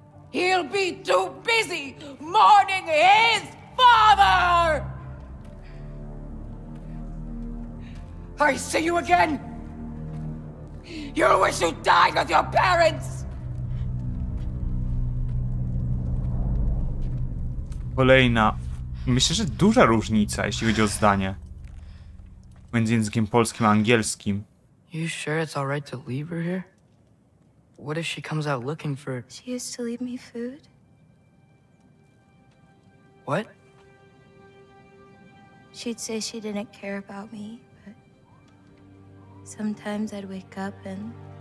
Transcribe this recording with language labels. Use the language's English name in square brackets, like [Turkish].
[English] He'll be too busy mourning his father! I see you again! You'll wish you died with your parents! [Polish] Kolejna, myślę, że duża różnica, jeśli chodzi o zdanie między językiem polskim a angielskim. [English] You sure it's all right to leave her here? What if she comes out looking for... She used to leave me food. What? She'd say she didn't care about me, but... Sometimes I'd wake up and...